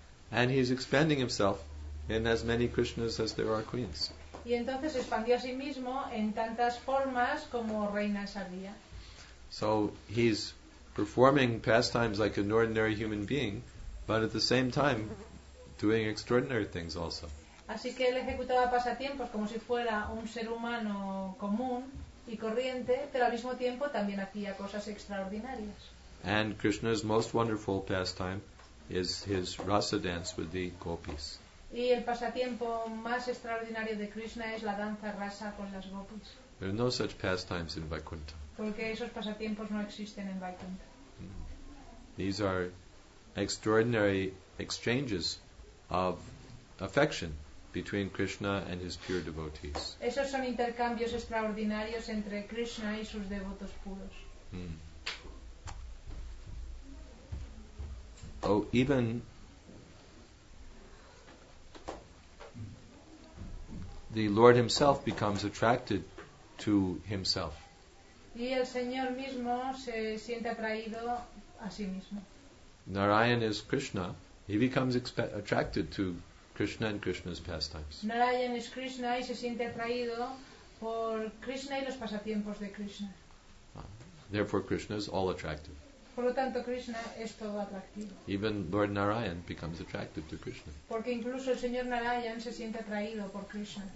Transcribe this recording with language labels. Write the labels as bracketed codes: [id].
[en] And he's expanding himself in as many Krishnas as there are queens. [es] Y entonces expandió a sí mismo en tantas formas como reinas había. [en] So he's performing pastimes like an ordinary human being, but at the same time doing extraordinary things also. [es] Así que él ejecutaba pasatiempos como si fuera un ser humano común y corriente, pero al mismo tiempo también hacía cosas extraordinarias. [en] And Krishna's most wonderful pastime is his rasa dance with the gopis. [es] Y el pasatiempo más extraordinario de Krishna es la danza rasa con las gopis. [en] There are no such pastimes in Vaikuntha. [es] Porque esos pasatiempos no existen en Vaikuntha. [en] These are extraordinary exchanges of affection between Krishna and his pure devotees. [es] Esos son intercambios extraordinarios entre Krishna y sus devotos puros. [en] Oh, even the Lord himself becomes attracted to himself. [es] Y el Señor mismo se siente atraído a sí mismo. [en] Narayan is Krishna. He becomes attracted to Krishna and Krishna's pastimes. Narayan is Krishna [es] y se siente atraído por Krishna y los pasatiempos de Krishna. [en] Therefore, Krishna is all attractive. [es] Por lo tanto, Krishna es todo atractivo. [en] Even Lord Narayan becomes attracted to Krishna. [es] Porque incluso el señor Narayan se siente atraído por Krishna.